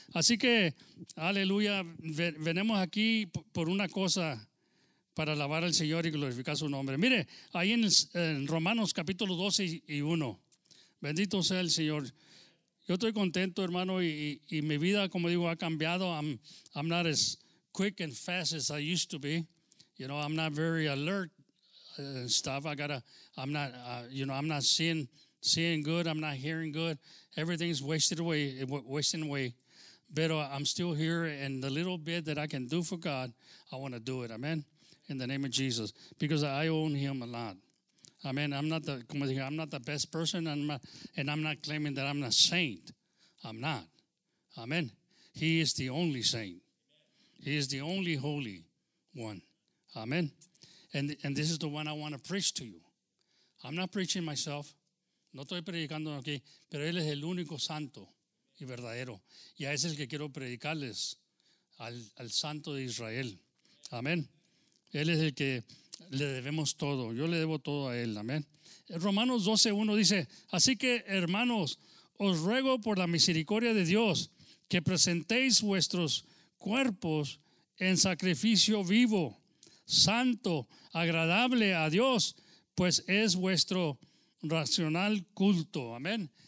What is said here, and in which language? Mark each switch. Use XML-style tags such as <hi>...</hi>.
<es>Así que, aleluya, venimos aquí por una cosa, para alabar al Señor y glorificar su nombre. Mire, ahí en Romanos capítulo 12 y 1, bendito sea el Señor. Yo estoy contento, hermano, y mi vida, como digo, ha cambiado.</es> <en>I'm not as quick and fast as I used to be. You know, I'm not very alert and stuff. I'm not seeing good. I'm not hearing good. Everything's wasting away, but I'm still here, and the little bit that I can do for God, I want to do it, amen, in the name of Jesus, because I own Him a lot, amen. I'm not the best person, and I'm not claiming that I'm a saint. I'm not, amen. He is the only saint. He is the only holy one, amen, and this is the one I want to preach to you. I'm not preaching myself.</en> <es>No estoy predicando aquí, pero Él es el único santo y verdadero. Y a ese es el que quiero predicarles, al santo de Israel. Amén. Él es el que le debemos todo. Yo le debo todo a Él. Amén. Romanos 12:1 dice, así que, hermanos, os ruego por la misericordia de Dios que presentéis vuestros cuerpos en sacrificio vivo, santo, agradable a Dios, pues es vuestro racional culto, amén.</es>